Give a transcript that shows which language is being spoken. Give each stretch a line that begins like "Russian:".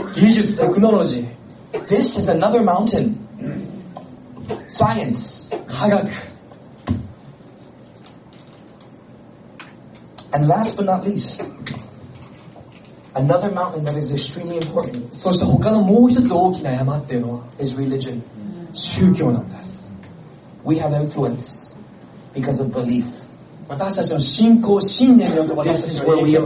Japanese: 技術、テクノロジー。
English: This is another mountain. Science.
Japanese: 科学。
English: And last but not least, another mountain that is extremely important.
Japanese: そして他のもう一つ大きな山っていうのは
English: is religion.
Japanese: 宗教なんです。
English: We have influence because of belief.
Japanese: 私たちの信仰信念によって私たちの影響